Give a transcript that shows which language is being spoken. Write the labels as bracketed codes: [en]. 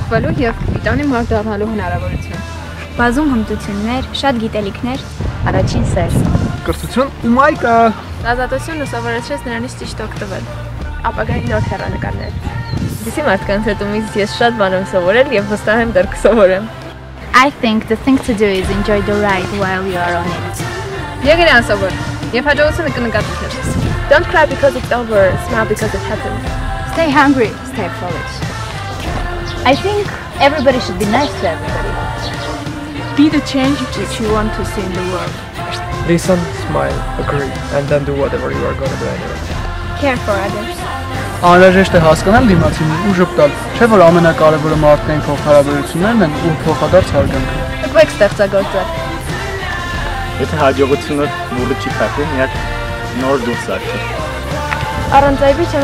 [hy] փոխվելու եւ պիտանի մարդ դառնալու հնարավորություն։ Բազում հմտություններ, շատ գիտելիքներ, առաջին սեր։ Կրթություն ու մայկա։ Ազատությունը սովորեցրեց նրանից ճիշտ օգտվել։ Ապագայի նոր հեռանկարներ։ Դիսի մարդկանց հետ ու ես շատ բան եմ սովորել եւ վստահ եմ դեռ կսովորեմ։ [en] I think the thing to do is enjoy the ride while you are on it. [hy] Եղերան սովոր։ Եվ հաջողությունը կնկատի քեզ։ [en] Don't cry because it's over, smile because it happened. Stay hungry, stay foolish. I think everybody should be nice to everybody. Be the change that you want to see in the world. Listen, smile, agree, and then do whatever you are going to do anyway. Care for others. [hy] Անհրաժեշտ է հասկանալ դիմացին ու ժպտալ, չէ՞ որ ամենակարևորը մարդկային փոխհարաբերություններն են ու փոխադարձ հարգանքը։